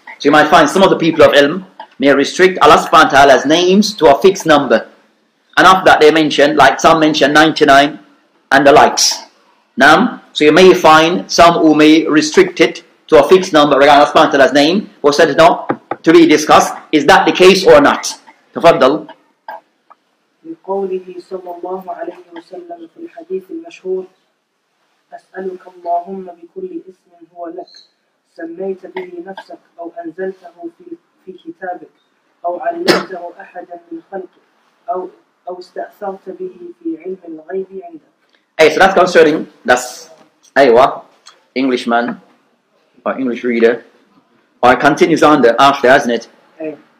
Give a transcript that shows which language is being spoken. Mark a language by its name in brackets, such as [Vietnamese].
[English] So you might find some of the people of ilm may restrict Allah subhanahu wa ta'ala's names to a fixed number. And after that they mention, like some mention 99 and the likes. Naam? So you may find some who may restrict it to a fixed number regarding Allah subhanahu wa ta'ala's name, or said it not to be discussed. Is that the case or not? Tafaddal. [Arabic] لقوله صلى الله عليه وسلم في الحديث المشهور أسألك اللهم بكل اسم هو لك سميت به نفسك أو أنزلته في كتابك أو علمته أحدا من خلقك أو استأثرت به في علم الغيب عندك. [English] Hey, so that's concerning, that's, hey, what? Englishman, or English reader, or it continues on the after, hasn't it?